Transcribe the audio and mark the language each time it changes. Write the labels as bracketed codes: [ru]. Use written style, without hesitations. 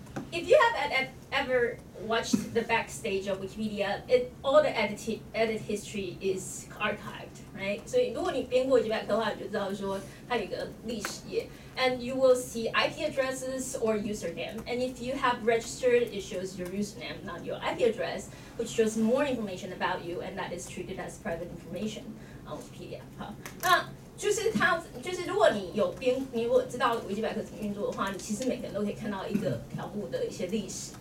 [en] If you have ever watched the backstage of Wikipedia, all the edit history is archived, right? [zh] 所以如果你编过一百科的话，你就知道说它有一个历史页。 [en] And you will see IP addresses or username. And if you have registered, it shows your username, not your IP address, which shows more information about you, and that is treated as private information. [zh] Wikipedia， 好，那就是他，就是如果你有编，你如果知道维基百科怎么运作的话，你其实每个人都可以看到一个条目的一些历史。